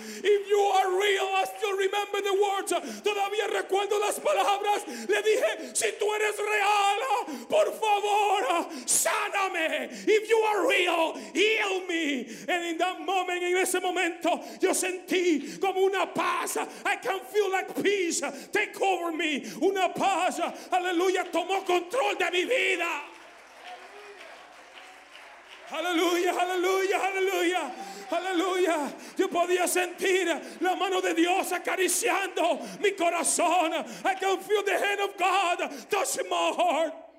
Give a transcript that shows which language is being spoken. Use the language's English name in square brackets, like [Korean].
[English] If you are real, I still remember the words. [Spanish] Todavía recuerdo las palabras. Le dije, si tú eres real, por favor, sáname. [English] If you are real, heal me. And in that moment, [Spanish] en ese momento, yo sentí como una paz. [English] I can feel like peace. Take over me. [Spanish] Una paz. Aleluya. Tomó control de mi vida. [English] Hallelujah, hallelujah, hallelujah, hallelujah. [Spanish] Yo podía sentir la mano de Dios acariciando mi corazón. [English] I can feel the hand of God touching my heart.